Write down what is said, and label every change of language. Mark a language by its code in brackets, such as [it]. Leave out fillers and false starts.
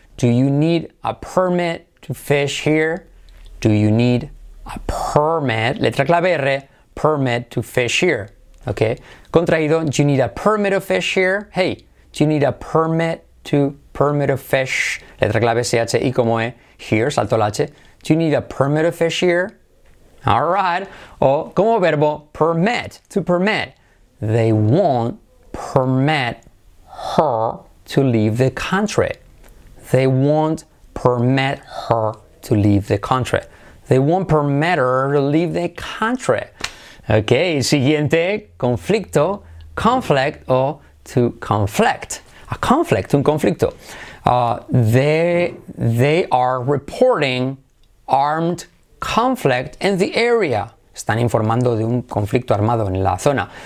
[en] Do you need a permit to fish here? Do you need a permit? [es] Letra clave R, [en] permit to fish here. Okay, [es] contraído, [en] do you need a permit of fish here? Hey, do you need a permit to permit of fish? [es] Letra clave CH y como E, here, salto la H. [en] Do you need a permit of fish here? All right, [es] o como verbo, [en] permit, to permit. They won't permit her to leave the country. They won't permit her to leave the country. They won't permit her to leave the country. Ok, [es] siguiente, conflicto, [en] conflict o to conflict. A conflict, [es] un conflicto. [en] They are reporting armed conflict in the area. [es] Están informando de un conflicto armado en la zona.